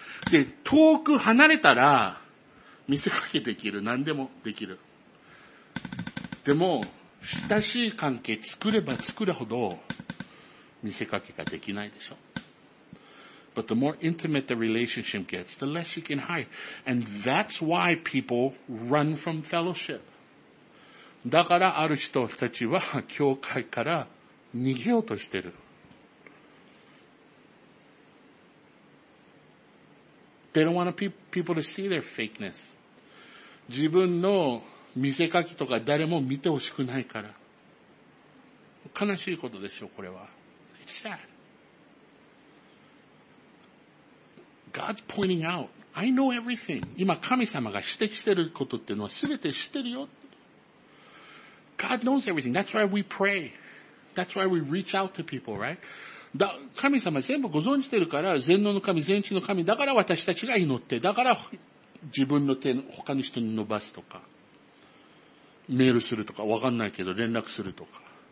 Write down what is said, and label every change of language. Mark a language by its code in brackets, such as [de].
[ja] で、遠く離れたら、見せかけできる。何でもできる。でも、親しい関係作れば作るほど、見せかけができないでしょ。 [en] But the more intimate the relationship gets, the less you can hide. And that's why people run from fellowship. [ja] だからある人たちは教会から逃げようとしてる。 [en] They don't want people to see their fakeness. [ja] 自分の見せかけとか誰も見てほしくないから。悲しいことでしょう、これは。 [en] It's sad. God's pointing out, I know everything. [ja] 今神様が指摘してることっていうのは全て知ってるよ。 [en] God knows everything. That's why we pray. That's why we reach out to people, right? [ja] 神様全部ご存知てるから、全能の神、全知の神、だから私たちが祈って、だから自分の手を他の人に伸ばすとか、メールするとか、わかんないけど連絡するとか。